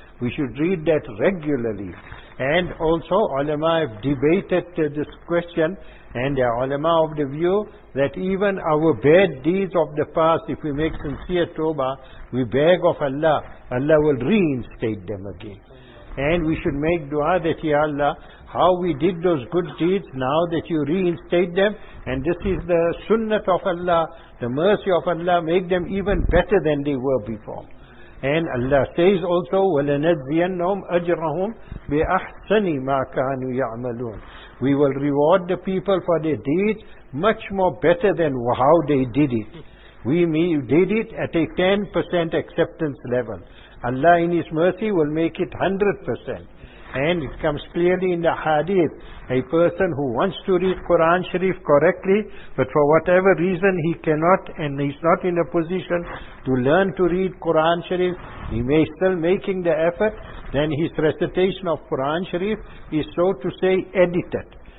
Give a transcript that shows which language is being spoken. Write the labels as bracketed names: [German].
[English] We should read that regularly. And also, ulama have debated this question, and the ulama of the view that even our bad deeds of the past, if we make sincere tawbah, we beg of Allah, Allah will reinstate them again. And we should make dua that, Ya Allah, how we did those good deeds, now that you reinstate them, and this is the sunnah of Allah, the mercy of Allah, make them even better than they were before. And Allah says also, [Arabic] وَلَنَجْزِيَنَّهُمْ أَجْرَهُمْ بِأَحْسَنِ مَا كَانُوا يَعْمَلُونَ. [English] We will reward the people for their deeds much more better than how they did it. We did it at a 10% acceptance level. Allah in His mercy will make it 100%. And it comes clearly in the hadith, a person who wants to read Quran Sharif correctly, but for whatever reason he cannot and he's not in a position to learn to read Quran Sharif, he may still making the effort, then his recitation of Quran Sharif is, so to say, edited.